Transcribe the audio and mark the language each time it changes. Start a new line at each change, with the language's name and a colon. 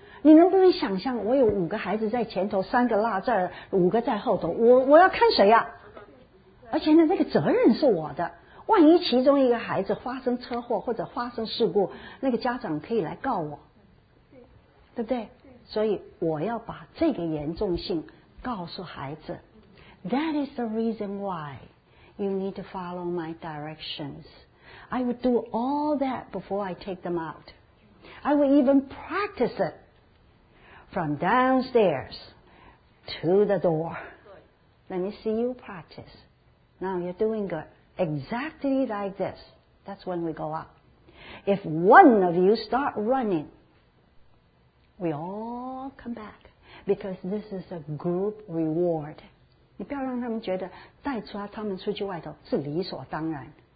Chinese: 你能不能想象，我有五个孩子在前头，三个落这儿，五个在后头，我要看谁呀、啊？而且呢，那个责任是我的。万一其中一个孩子发生车祸或者发生事故，那个家长可以来告我。对不对？所以我要把这个严重性告诉孩子。
English: That is the reason why you need to follow my directions. I would do all that before I take them out. I would even practice it from downstairs to the door. Let me see you practice. Now you're doing good. Exactly like this. That's when we go up. If one of you start running,We all come back because this is a group reward.
Chinese: 你不要让他们觉得带出他们出去外头是理所当然。